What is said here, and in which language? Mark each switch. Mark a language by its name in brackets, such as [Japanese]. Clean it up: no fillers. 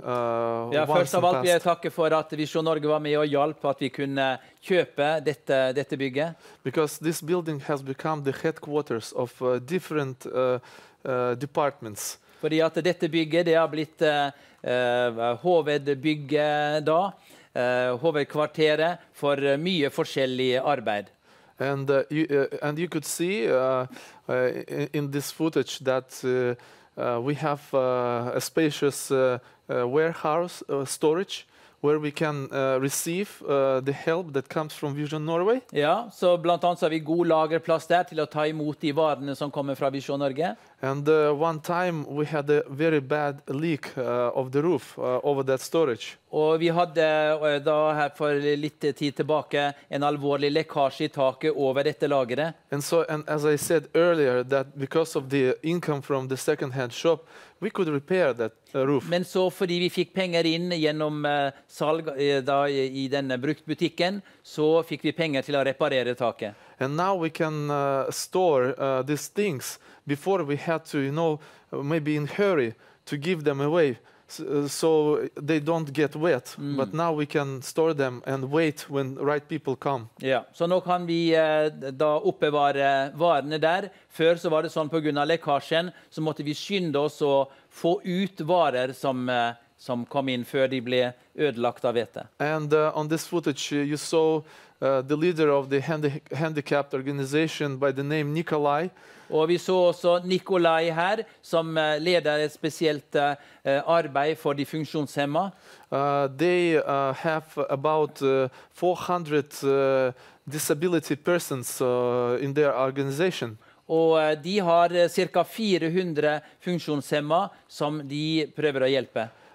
[Norwegian] Ja, først av alt vil jeg takke for at Vision Norge var med og hjalp at vi kunne kjøpe dette bygget. [English] Because this building has become the headquarters of different departments. [Norwegian] Fordi at dette bygget det har blitt hovedbygget da. Hovedkvarteret for mye forskjellig arbeid. [English] And and you could see in this footage that we have a spacious warehouse storage where we can receive the help that comes from Vision Norway. [Norwegian] Ja, så blant annet så har vi god lagerplass der til å ta imot de varene som kommer fra Vision Norge. [English] And one time we had a very bad leak of the roof over that storage. [Norwegian] Og vi hadde da her for litt tid tilbake en alvorlig lekkasje i taket over dette lageret. [English] And so, and as I said earlier, that because of the income from the second-hand shop, we could repair that roof. [Norwegian] Men så fordi vi fikk penger inn gjennom salg da i denne bruktbutikken, så fikk vi penger til å reparere taket. [English] And now we can store these things. Before we had to, you know, maybe in hurry to give them away so they don't get wet. Mm. But now we can store them and wait when the right people come. [Norwegian] Ja, så nå kan vi da oppbevare varene der. Før så var det sånn på grunn av lekkasjen, så måtte vi skynde oss å få ut varer som kom inn før de ble ødelagt av vete. [English] And on this footage you saw the leader of the handicapped organization by the name Nikolai. [Norwegian] Og vi så også Nikolai her, som leder et spesielt arbeid for de funksjonshemma. [English] They have about 400 disability persons in their organization. [Norwegian] Og de har ca. 400 funksjonshemma som de prøver å hjelpe.